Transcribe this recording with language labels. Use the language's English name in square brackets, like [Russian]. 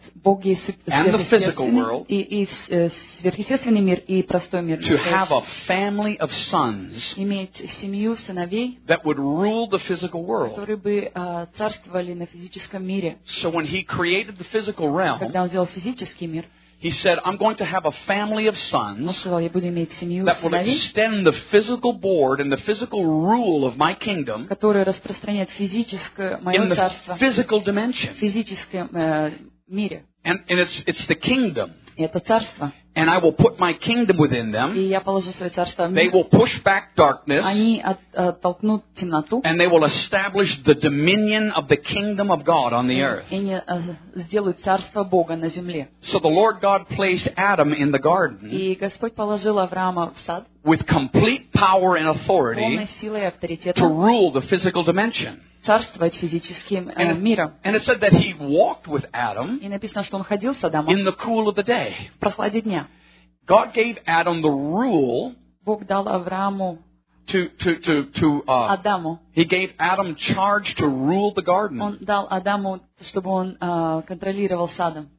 [English] and the physical world, [Russian] и сверхъестественный мир и простой мир, [English] to have a family of sons, [Russian] иметь семью сыновей, [English] that would rule the physical world, [Russian] которые бы царствовали на физическом мире. [English] So when he created the physical realm, [Russian] когда он сделал физический мир, [English] he said, I'm going to have a family of sons, [Russian] он сказал, я буду иметь семью [English] that will [Russian] сыновей, [English] extend the physical board and the physical rule of my kingdom, [Russian] которые распространяют физическое мое [English] in [Russian] царство, [English] the physical dimension, [Russian] в физическом мире. [English] And it's the kingdom. [Russian] Это царство. [English] And I will put my kingdom within them. They will push back darkness. And they will establish the dominion of the kingdom of God on the earth. So the Lord God placed Adam in the garden. With complete power and authority to rule the physical dimension. [Russian] Царствовать физическим миром. [English] And it said that he walked with Adam. [Russian] И написано, что он ходил с Адамом. [English] In the cool of the day. [Russian] В прохладе дня. [English] God gave Adam the rule. [Russian] Бог дал Аврааму. [English] To [Russian] Адаму. [English] He gave Adam charge to rule the garden. [Russian] Он дал Адаму, чтобы он контролировал садом.